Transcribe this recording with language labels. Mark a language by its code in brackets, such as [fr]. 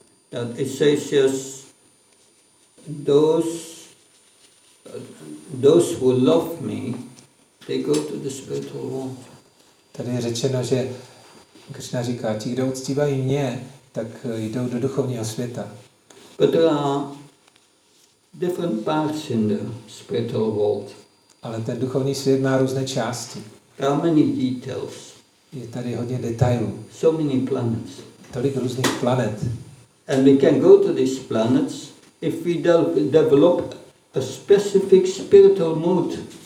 [en] That it says yes, those who love me, they go to the spiritual world. [cs] Tady je řečeno, že Krishna říká, ti, kdo uctívají mě, tak jdou do duchovního světa. [en] But there are different parts in the spiritual world. [cs] Ale ten duchovní svět má různé části. [en] How many details? [cs] Je tady hodně detailů. [en] So many planets. [cs] Tolik různých planet. [en] And we can go to these planets if we develop a specific spiritual mood.